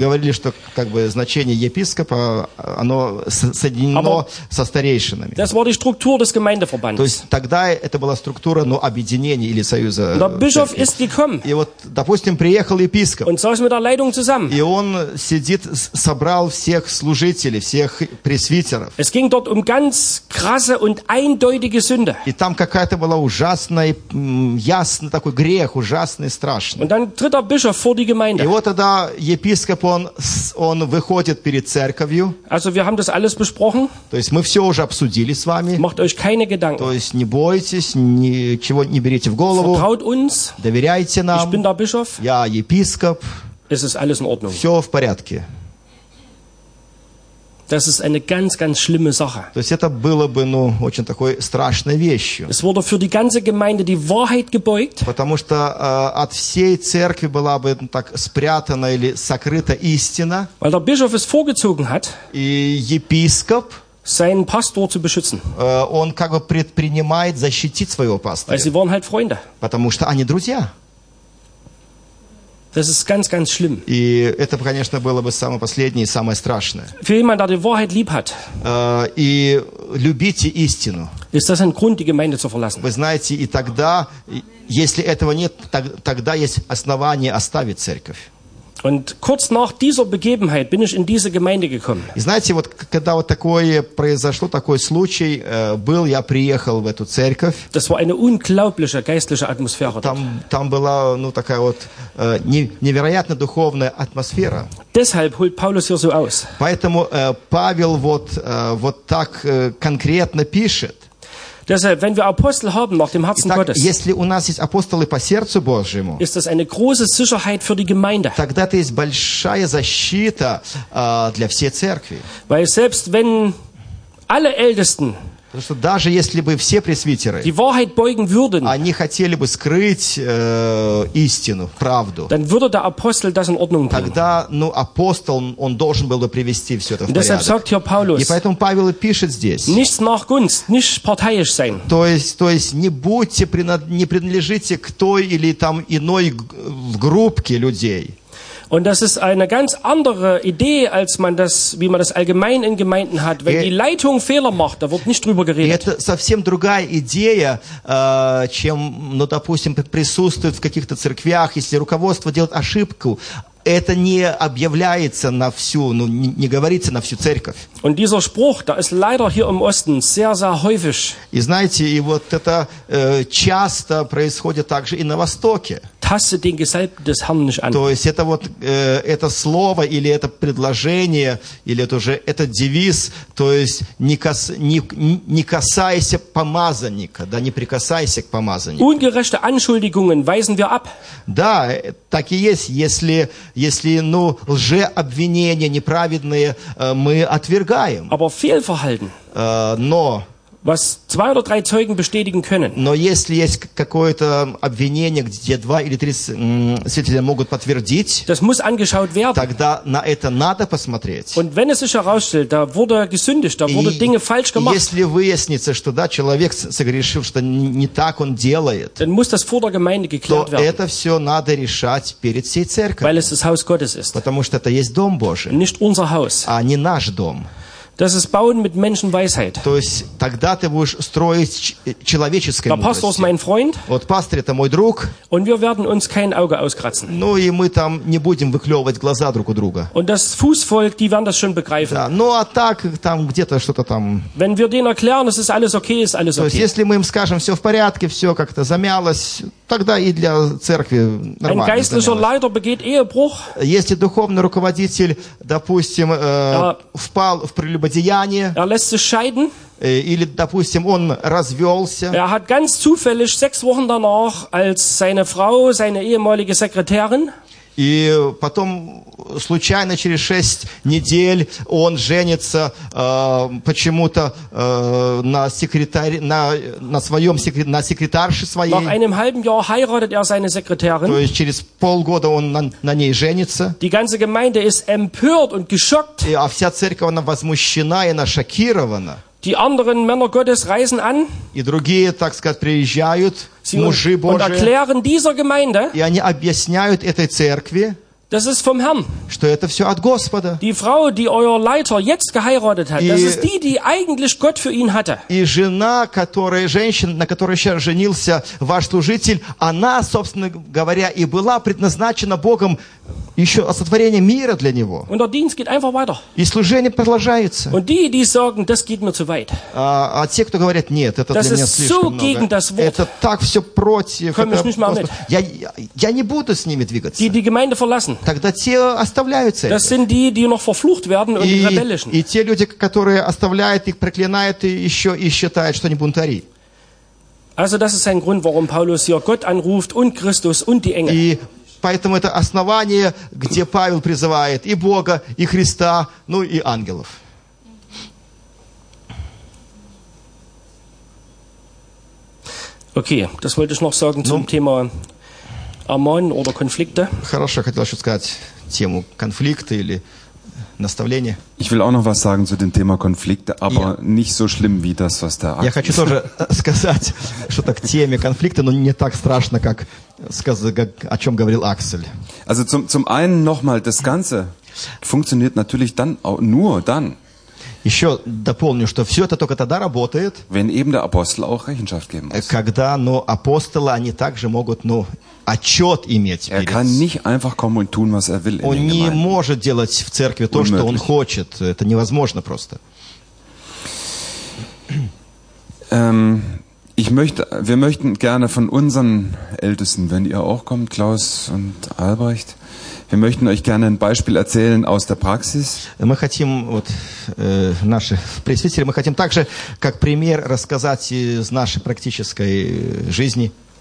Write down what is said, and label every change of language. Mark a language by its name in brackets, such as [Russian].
[Russian] Мы говорили, что как бы значение епископа, оно соединено [German] Aber [Russian] со старейшинами. [German] Das war die Struktur des Gemeindeverbandes. [Russian] То есть тогда это была структура, ну, объединения или союза. [German] Der Bischof ist gekommen. [Russian] И вот, допустим, приехал епископ. [German] Und saß mit der Leitung zusammen. [Russian] И он сидит, собрал всех служителей, всех пресвитеров. [German] Es ging dort um ganz krasse und eindeutige Sünde. [Russian] И там какая-то была ужасная, ясный такой грех, ужасный, страшный. [German] Und dann tritt der Bischof vor die Gemeinde. [Russian] И вот тогда епископ, он выходит перед церковью. [German] Also wir haben das alles besprochen. [Russian] То есть мы все уже обсудили с вами. [German] Macht euch keine Gedanken. [Russian] То есть не бойтесь, ничего не берите в голову. [German] Vertraut uns. [Russian] Доверяйте нам. [German] Ich bin der Bischof. [Russian] Я епископ. [German] Es ist alles in Ordnung. [Russian] Все в порядке. [German] Das ist eine ganz, ganz schlimme Sache. [Russian] То есть это было бы, ну, очень такой страшной вещью. [German] Es wurde für die ganze Gemeinde die Wahrheit gebeugt. [Russian] Потому что от всей церкви была бы так спрятана или сокрыта истина. [German] Weil der Bischof es vorgezogen hat. [Russian] И епископ [German] seinen Pastor zu beschützen. [Russian] Он как бы предпринимает защитить своего пастора. [German] Weil sie waren halt Freunde. [Russian] Потому что они друзья. [German] Das ist ganz, ganz schlimm. [Russian] И это, конечно, было бы самое последнее и самое страшное. [German] Für jemand, der die Wahrheit lieb hat. [Russian] И любите истину. [German] Ist das ein Grund, die Gemeinde zu verlassen? [Russian] Вы знаете, и тогда, если этого нет, тогда есть основание оставить церковь. [German] Und kurz nach dieser Begebenheit bin ich in diese Gemeinde gekommen. [Russian] И знаете, вот когда вот такое произошло, такой случай был, я приехал в эту церковь. [German] Das war eine unglaubliche geistliche Atmosphäre. [Russian] Там была, ну, такая вот невероятно духовная атмосфера. [German] Deshalb holt Paulus hier so aus. [Russian] Поэтому Павел вот так конкретно пишет. [German] Deshalb, wenn wir Apostel haben nach dem Herzen [Russian] Итак, [German] Gottes, [Russian] если у нас есть апостолы по сердцу Божьему, [German] ist das eine große Sicherheit für die Gemeinde. [Russian] Тогда это есть большая защита для всей церкви. [German] Weil selbst wenn alle Ältesten, [Russian] потому что даже если бы все пресвитеры, [German] die Wahrheit beugen würden, [Russian] они хотели бы скрыть истину, правду, [German] dann würde der Apostel das in Ordnung bringen. [Russian] Тогда, ну, апостол, он должен был бы привести все это в порядок. [German] Deshalb sagt hier Paulus, [Russian] и поэтому Павел и пишет здесь, [German] nichts nach Gunst, nicht parteiisch sein. [Russian] То есть не будьте, не принадлежите к той или там иной группке людей. [German] Und das ist eine ganz andere Idee, als man das, wie man das allgemein in Gemeinden hat. Wenn die Leitung Fehler macht, da wird nicht drüber geredet. [Russian] Это совсем другая идея, чем, ну, допустим, присутствует в каких-то церквях, если руководство делает ошибку. Это не объявляется на всю, ну, не говорится на всю церковь. [German] Und dieser Spruch, der ist leider hier im Osten sehr, sehr häufig. [Russian] И знаете, и вот это часто происходит также и на Востоке. [German] Tasse den Gesalbten des Herrn nicht an. [Russian] То есть это вот это слово или это предложение или это уже этот девиз, то есть не касайся помазанника, да, не прикасайся к помазаннику. [German] Ungerechte Anschuldigungen weisen wir ab. [Russian] Да, так и есть, если ну лжеобвинения неправедные мы отвергаем. [German] Aber Fehlverhalten. [Russian] Но [German] was zwei oder drei Zeugen bestätigen können. [Russian] Но если есть какое-то обвинение, где два или три свидетеля могут подтвердить, [German] das muss angeschaut werden. [Russian] Тогда на это надо посмотреть. [German] Und wenn es sich herausstellt, da wurde gesündigt, da wurde Dinge falsch gemacht. [Russian] Если выяснится, что да, человек согрешил, что не так он делает, [German] dann muss das vor der Gemeinde geklärt werden. [Russian] Это все надо решать перед всей церковью. [German] Weil es das Haus Gottes ist. [Russian] Потому что это есть дом Божий. [German] Nicht unser Haus. [Russian] А не наш дом. [German] Das ist bauen mit Menschenweisheit. [Russian] То есть тогда ты будешь строить человеческой мудростью. [German] Der Pastor ist mein Freund. [Russian] Вот пастор это мой друг. [German] Und wir werden uns kein Auge auskratzen. [Russian] Ну и мы там не будем выклевывать глаза друг у друга. [German] Und das Fußvolk, die werden das schon begreifen. [Russian] Да, ну а так там где-то что-то там. [German] Wenn wir denen erklären, es ist alles okay, ist alles okay. [Russian] То есть если мы им скажем, все в порядке, все как-то замялось, тогда и для церкви нормально. [German] Ein geistlicher Leiter begeht Ehebruch. [Russian] Если духовный руководитель, допустим, впал в прелюбодеяние, [German] er lässt sich scheiden. [Russian] Или, допустим, он развелся. [German] Er hat ganz zufällig sechs Wochen danach als seine Frau, seine ehemalige Sekretärin. [Russian] И потом случайно через шесть недель он женится почему-то на секретарше своей. [German] Nach einem halben Jahr heiratet er seine Sekretärin. [Russian] То есть через полгода он на ней женится. [German] Die ganze Gemeinde ist empört und geschockt. [Russian] И, а вся церковь она возмущена и она шокирована. [German] Die anderen Männer Gottes reisen an. [Russian] И другие, так сказать, приезжают. [German] Sie [Russian] мужи Божии. [German] Und erklären dieser Gemeinde. [Russian] И они объясняют этой церкви. [German] Das ist vom Herrn. [Russian] Что это все от Господа. [German] Die Frau, die euer Leiter jetzt geheiratet hat, das ist die, die eigentlich Gott für ihn hatte. [Russian] И жена, которая женщина, на которой сейчас женился ваш служитель, она, собственно говоря, и была предназначена Богом еще от сотворения мира для него. [German] Und der Dienst geht einfach weiter. [Russian] И служение продолжается. [German] Und die, die sagen, das geht mir zu weit. [Russian] А те, кто говорят, нет, это [German] das [Russian] для меня слишком [German] so [Russian] много. [German] Gegen das Wort. [Russian] Это так все против. [German] Komm, [Russian] это, [German] ich [Russian] Господь, [German] nicht [Russian] я не буду с ними двигаться. [German] Die Gemeinde verlassen. [Russian] Тогда те оставляют церковь. [German] Das sind die, die noch verflucht werden und die rebellischen. [Russian] И те люди, которые оставляют их, проклинают еще и считают, что они бунтари. [German] Also das ist ein Grund, warum Paulus hier Gott anruft und Christus und die Engel. [Russian] Поэтому это основание, где Павел призывает и Бога, и Христа, ну и ангелов. [German] Okay, das wollte ich noch sagen zum Thema Ermahnen oder Konflikte. [Russian] Хорошо, хотел еще сказать тему конфликта или наставления. [German] Ich will auch noch was sagen zu dem Thema Konflikte, aber nicht so schlimm wie das, was der [Russian] Я хочу тоже сказать что-то к теме конфликта, но не так страшно, как о чем говорил Аксель. [German] Also zum einen nochmal, das Ganze funktioniert natürlich dann nur dann. [Russian] Еще дополню, что все это только тогда работает, [German] wenn eben der Apostel auch Rechenschaft geben muss. [Russian] Когда апостолы, они также могут отчет иметь. [German] Er kann nicht einfach kommen und tun, was er will. [Russian] Он не может делать в церкви то, что он хочет. Это невозможно просто. [German] Wir möchten gerne von unseren Ältesten, wenn ihr auch kommt, Klaus und Albrecht, wir möchten euch gerne ein Beispiel erzählen aus der Praxis. [Russian] Мы хотим наши пресвитеры, мы хотим также как пример рассказать из нашей практической жизни.